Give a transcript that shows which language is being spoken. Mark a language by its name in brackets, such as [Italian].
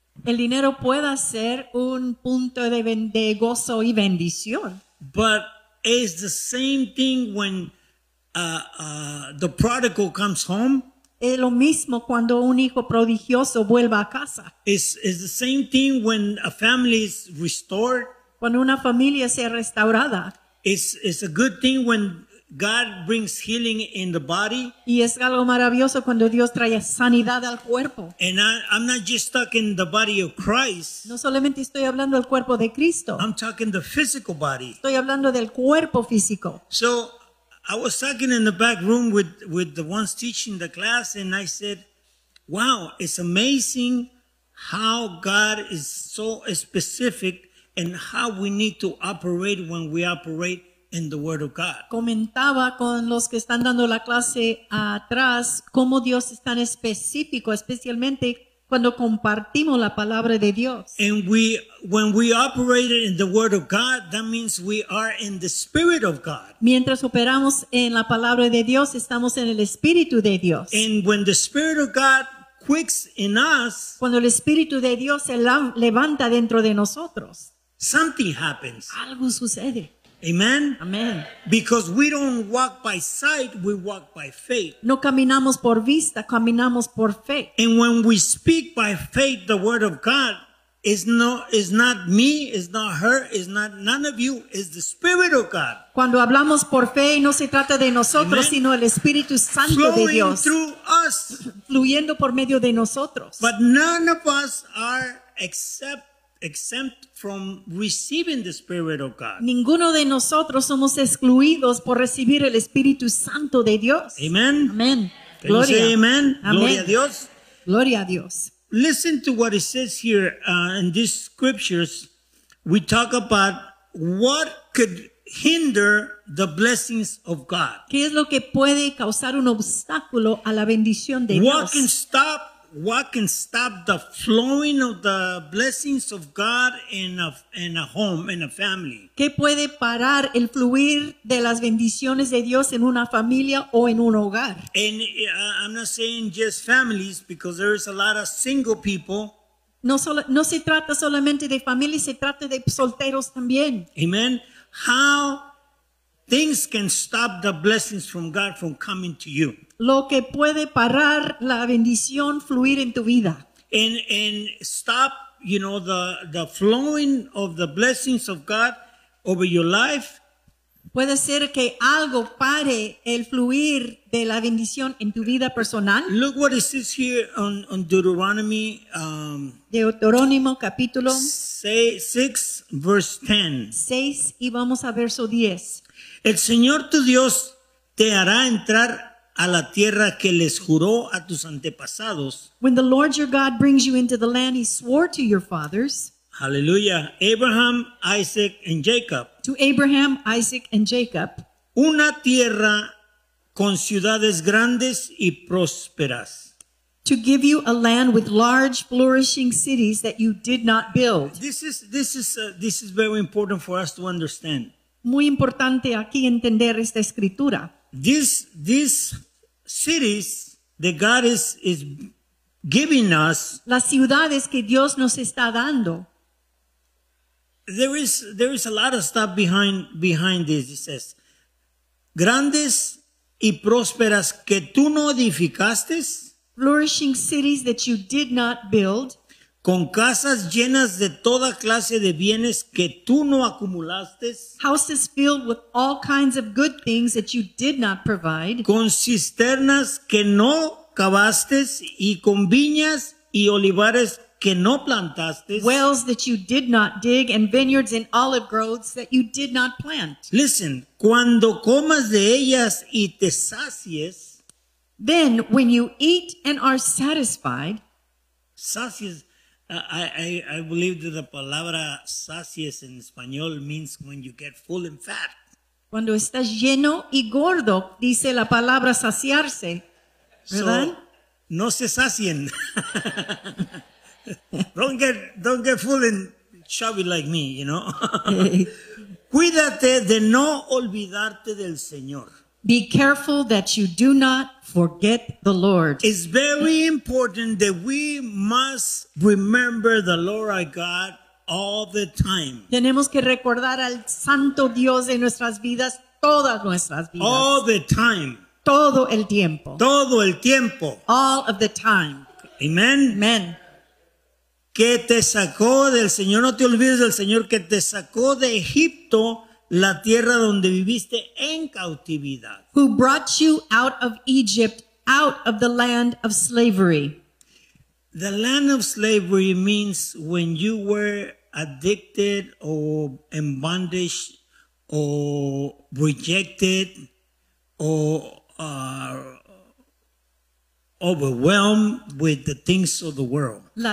[Spanish] El dinero puede ser un punto de gozo y bendición. [English] But it's the same thing when the prodigal comes home. [Spanish] Es lo mismo cuando un hijo prodigioso vuelve a casa. [English] It's the same thing when a family is restored. [Spanish] Cuando una familia se restaurada. [English] It's a good thing when God brings healing in the body. [Spanish] Y es algo maravilloso cuando Dios trae sanidad al cuerpo. [English] And I'm not just talking the body of Christ. [Spanish] No solamente estoy hablando del cuerpo de Cristo. [English] I'm talking the physical body. [Spanish] Estoy hablando del cuerpo físico. [English] So I was talking in the back room with the ones teaching the class, and I said, wow, it's amazing how God is so specific and how we need to operate when we operate in the word of God. [Spanish] Comentaba con los que están dando la clase atrás cómo Dios es tan específico, especialmente cuando compartimos la palabra de Dios. [English] And when we operate in the word of God, that means we are in the spirit of God. [Spanish] Mientras operamos en la palabra de Dios, estamos en el espíritu de Dios. [English] And when the spirit of God quicks in us, [Spanish] cuando el espíritu de Dios se levanta dentro de nosotros, [English] something happens. [Spanish] Algo sucede. Amen. Amen. [English] Because we don't walk by sight, we walk by faith. [Spanish] No caminamos por vista, caminamos por fe. [English] And when we speak by faith, the word of God is not me, is not her, is not none of you, is the Spirit of God. [Spanish] Cuando hablamos por fe, no se trata de nosotros, amen, sino el Espíritu Santo. [English] Flowing [Spanish] de Dios. [English] Through us. [Spanish] Fluyendo por medio de nosotros. [English] But none of us are exempt from receiving the Spirit of God. [Spanish] Ninguno de nosotros somos excluidos por recibir el Espíritu Santo de Dios. Amen. Amen. Gloria. [English] Can you say amen? Amen. [Spanish] Gloria a Dios. Gloria a Dios. [English] Listen to what it says here in these scriptures. We talk about what could hinder the blessings of God. [Spanish] ¿Qué es lo que puede causar un obstáculo a la bendición de [English] what [Spanish] Dios? [English] What can stop what can stop the flowing of the blessings of God in a home, in a family? [Spanish] ¿Qué puede parar el fluir de las bendiciones de Dios en una familia o en un hogar? [English] And I'm not saying just families, because there is a lot of single people. [Spanish] No se trata solamente de familias, se trata de solteros también. Amen. [English] How things can stop the blessings from God from coming to you. [Spanish] Lo que puede parar la bendición fluir en tu vida. [English] And stop, you know, the flowing of the blessings of God over your life. [Spanish] Puede ser que algo pare el fluir de la bendición en tu vida personal. [English] Look what it says here on Deuteronomy. [Spanish] Deuteronomy capítulo [English] 6, verse 10. [Spanish] 6 y vamos a verso 10. El Señor tu Dios te hará entrar a la tierra que les juró a tus antepasados. [English] When the Lord your God brings you into the land he swore to your fathers. Hallelujah. Abraham, Isaac, and Jacob. To Abraham, Isaac, and Jacob. [Spanish] Una tierra con ciudades grandes y prósperas. [English] To give you a land with large flourishing cities that you did not build. This is very important for us to understand. [Spanish] Muy importante aquí entender esta escritura. [English] These cities that God is giving us. [Spanish] Las ciudades que Dios nos está dando. [English] There is a lot of stuff behind this. It says, [Spanish] grandes y prósperas que tú no edificaste. [English] Flourishing cities that you did not build. [Spanish] Con casas llenas de toda clase de bienes que tú no acumulaste. [English] Houses filled with all kinds of good things that you did not provide. [Spanish] Con cisternas que no cavaste y con viñas y olivares que no plantaste. [English] Wells that you did not dig and vineyards and olive groves that you did not plant. Listen, [Spanish] cuando comas de ellas y te sacies. [English] Then when you eat and are satisfied. [Spanish] Sacies. [English] I believe that the [Spanish] palabra sacies [English] in español means when you get full and fat. [Spanish] Cuando estás lleno y gordo, dice la palabra saciarse, ¿verdad? [English] So, [Spanish] no se sacien. [English] don't get full and chubby like me, you know. [Spanish] Cuídate de no olvidarte del Señor. [English] Be careful that you do not forget the Lord. It's very important that we must remember the Lord our God all the time. [Spanish] Tenemos que recordar al Santo Dios de nuestras vidas, todas nuestras vidas. [English] All the time. [Spanish] Todo el tiempo. Todo el tiempo. [English] All of the time. Amen. Amen. [Spanish] Que te sacó del Señor, no te olvides del Señor, que te sacó de Egipto. La tierra donde viviste en cautividad. [English] Who brought you out of Egypt, out of the land of slavery. The land of slavery means when you were addicted or in bondage or rejected or overwhelmed with the things of the world.